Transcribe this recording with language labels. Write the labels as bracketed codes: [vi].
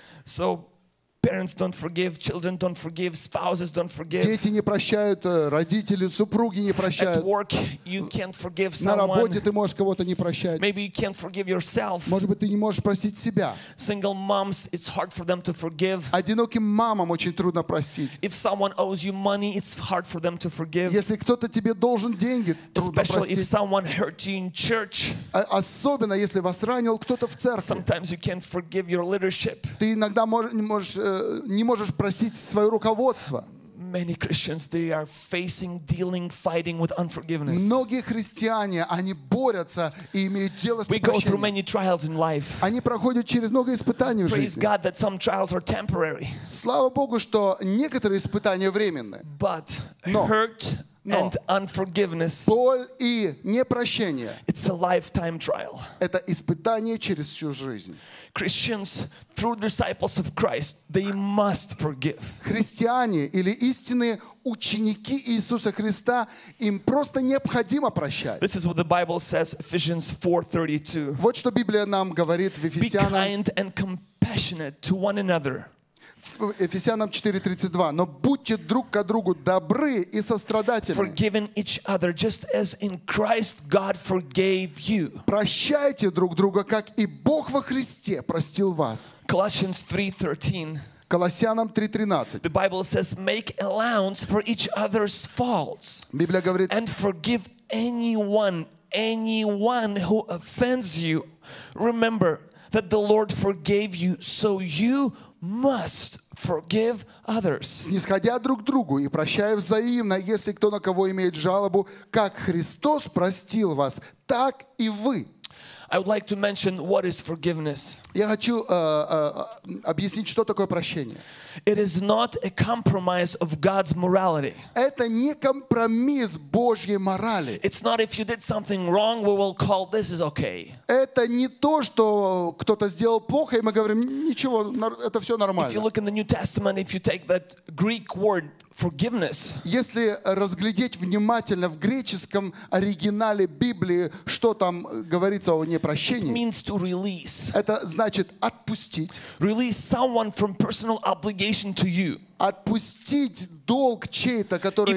[en] So, parents don't forgive, children don't forgive, spouses don't forgive. [ru] Дети не прощают, родители, супруги не прощают. [en] At work, you can't forgive someone. [ru] На работе ты можешь кого-то не прощать. [en] Maybe you can't forgive yourself. [ru] Может быть, ты не можешь простить себя. [en] Single moms, it's hard for them to forgive. [ru] Одиноким мамам очень трудно простить. [en] If someone owes you money, it's hard for them to forgive. [ru] Если кто-то тебе должен деньги, трудно простить. [en] Especially if someone hurt you in church. [ru] Особенно если вас ранил кто-то в церкви. [en] Sometimes you can't forgive your leadership. [ru] Ты иногда не можешь не можешь простить свое руководство. [en] Many Christians, they are facing, dealing, fighting with unforgiveness. [ru] Многие христиане, они борются и имеют дело с непрощением. [en] We go through many trials in life. [ru] Они проходят через много испытаний в жизни. [en] Praise God that some trials are temporary. [ru] Слава Богу, что некоторые испытания временны. [en] But hurt and unforgiveness, [ru] боль и непрощение, [en] it's a lifetime trial. [ru] Это испытание через всю жизнь. [en] Christians, true disciples of Christ, they must forgive. [ru] Христиане или истинные ученики Иисуса Христа, им просто необходимо прощать. [en] This is what the Bible says, Ephesians 4:32. [ru] Вот что Библия нам говорит в Ефесянам. [en] Be kind and compassionate to one another. [ru] Ефесянам 4:32. Но будьте друг к другу добры и сострадательны. [en] Forgiving each other, just as in Christ God forgave you. [ru] Прощайте друг друга, как и Бог во Христе простил вас. [en] Colossians 3:13. [ru] Колоссянам 3:13. [en] The Bible says, make allowance for each other's faults. [ru] Библия говорит. [en] And forgive anyone who offends you. Remember that the Lord forgave you, so you must forgive others. [ru] Снисходя друг другу и прощая взаимно, если кто на кого имеет жалобу, как Христос простил вас, так и вы. [en] I would like to mention what is forgiveness. [ru] Я хочу объяснить, что такое прощение. [en] It is not a compromise of God's morality. [ru] Это не компромисс Божьей морали. [en] It's not if you did something wrong, we will call this is okay. [ru] Это не то, что кто-то сделал плохо, и мы говорим, ничего, это все нормально. [en] If you look in the New Testament, if you take that Greek word forgiveness, [ru] если разглядеть внимательно в греческом оригинале Библии, что там говорится о непрощении, [en] it means to release. [ru] Это значит отпустить. [en] Release someone from personal obligation. [ru] Отпустить долг чей-то, который